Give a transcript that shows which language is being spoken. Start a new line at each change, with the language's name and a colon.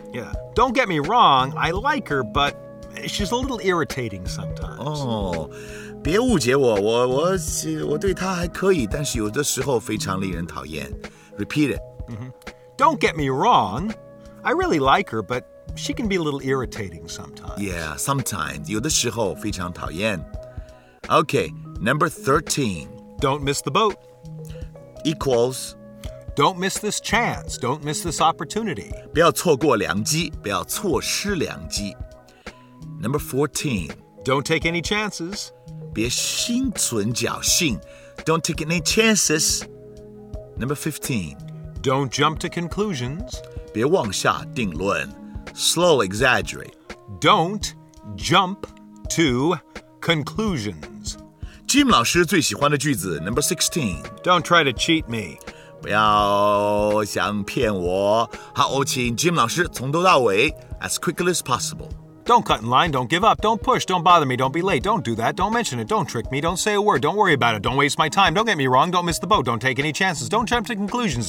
English: Yeah. Don't get me wrong, I like her, but she's a little irritating sometimes.
Chinese: Oh, 别误解我，我对她还可以，但是有的时候非常令人讨厌。
English: Repeat it. Mm-hmm. Don't get me wrong, I really like her, but she can be a little irritating sometimes. Yeah, sometimes.
Chinese: 有的时候非常讨厌。
English: Okay, number 13. Don't miss the boat. Equals. Don't miss this chance. Don't miss this opportunity.
Chinese: 不要错过良机，不要错失良机。
English: Number 14. Don't take any chances.
Chinese: 别心存侥幸。
English: Don't take any chances. Number 15. Don't jump to conclusions.
Chinese: 别妄下定论。
English: Slow exaggerate. Don't jump to conclusions.
Chinese: Jim 老师最喜欢的句子 number 16.
English: Don't try to cheat me.
Chinese: 不要想骗我。好，我请 Jim 老师从头到尾
English: as quickly as possible. Don't cut in line. Don't give up. Don't push. Don't bother me. Don't be late. Don't do that. Don't mention it. Don't trick me. Don't say a word. Don't worry about it. Don't waste my time. Don't get me wrong. Don't miss the boat. Don't take any chances. Don't jump to conclusions.